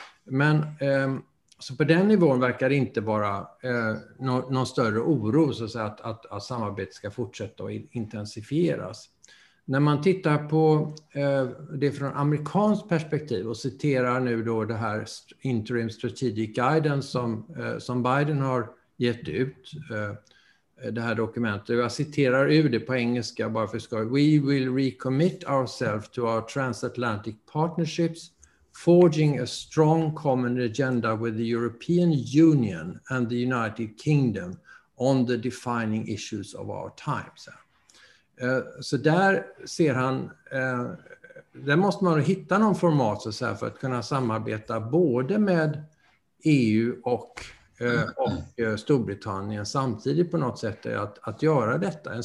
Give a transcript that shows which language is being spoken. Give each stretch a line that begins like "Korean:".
Swedish: Men så på den nivån verkar det inte vara någon större oro så att, säga, att samarbetet ska fortsätta och intensifieras. När man tittar på det från amerikanskt perspektiv och citerar nu då det här Interim Strategic Guidance som Biden har gett ut, det här dokumentet. Jag citerar ur det på engelska bara för skoj.
English: We will recommit ourselves to our transatlantic partnerships, forging a strong common agenda with the European Union and the United Kingdom on the defining issues of our times.
Swedish: Så där ser han, där måste man hitta någon format så här för att kunna samarbeta både med EU och Storbritannien samtidigt på något sätt, är att göra detta.